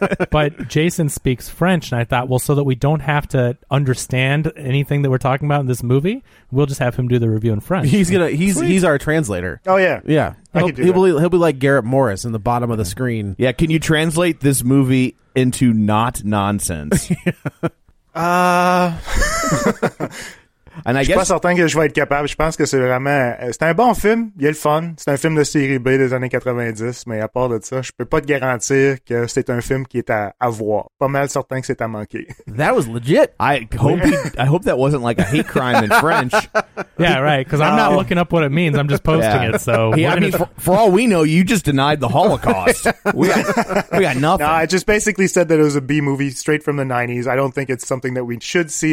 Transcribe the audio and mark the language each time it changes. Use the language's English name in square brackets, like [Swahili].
[English] But Jason speaks French, and I thought, well, so that we don't have to understand anything that we're talking about in this movie, we'll just have him do the review in French. He's our translator. Oh yeah, yeah. He'll be like Garrett Morris in the bottom of the screen. Yeah, can you translate this movie into not nonsense? And I [French] guess pas certain que je vais être capable. Je pense que c'est vraiment, c'est un bon film. Il y a le fun. C'est un film de série B des années 90. Mais à part de ça, je peux pas te garantir que c'est un film qui est à voir. Pas mal certain que c'est à manquer. [English] That was legit. I hope that wasn't like a hate crime in French. Yeah, right. Because I'm not looking up what it means. I'm just posting it. So yeah, I mean, for all we know, you just denied the Holocaust. we got nothing. No, I just basically said that it was a B movie straight from the 90s. I don't think it's something that we should see.